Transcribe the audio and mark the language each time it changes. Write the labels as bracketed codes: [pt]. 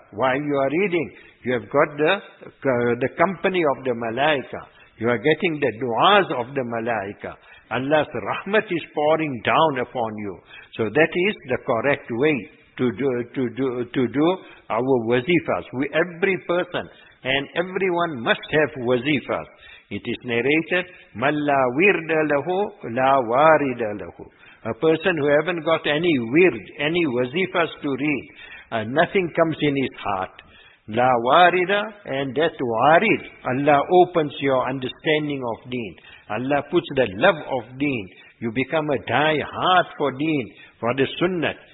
[en] While you are reading, you have got the company of the malaika. You are getting the du'as of the malaika. Allah's rahmat is pouring down upon you. So that is the correct way to do our wazifas. Every person and everyone must have wazifas. It is narrated, [ar] مَنْ لَا وِرْدَ لَهُ لَا وَارِدَ لَهُ. [en] A person who haven't got any wird, any wazifas to read, nothing comes in his heart. La warida, and that warid, Allah opens your understanding of deen. Allah puts the love of deen. You become a die hard for deen, for the sunnah.